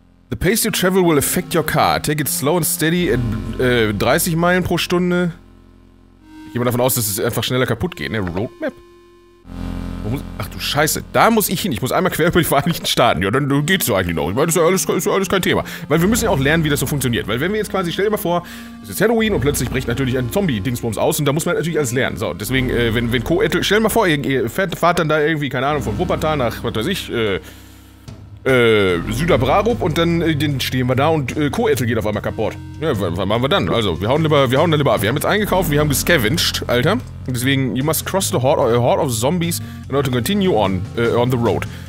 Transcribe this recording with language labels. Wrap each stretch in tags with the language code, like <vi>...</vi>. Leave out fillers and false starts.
<en>The pace you travel will affect your car. Take it slow and steady at 30</en> <de>Meilen pro Stunde. Ich gehe mal davon aus, dass es einfach schneller kaputt geht, ne? Roadmap? Ach du Scheiße, da muss ich hin. Ich muss einmal quer über die Vereinigten Staaten. Ja, dann geht's so eigentlich noch. Ich meine, das ist ja alles kein Thema. Weil wir müssen ja auch lernen, wie das so funktioniert. Weil wenn wir jetzt quasi, stell dir mal vor, es ist Halloween und plötzlich bricht natürlich ein Zombie-Dingsbums aus und da muss man natürlich alles lernen. So, deswegen, wenn Co-Ettel, stell dir mal vor, ihr fahrt dann da irgendwie, keine Ahnung, von Wuppertal nach, was weiß ich, Süderbrarup und dann stehen wir da und Co-Ettel geht auf einmal kaputt. Ja, was machen wir dann? Also, wir hauen dann lieber ab. Wir haben jetzt eingekauft, wir haben gescavenged, Alter.</de> <en>Deswegen, you must cross the horde of zombies in order to continue on the road.</en>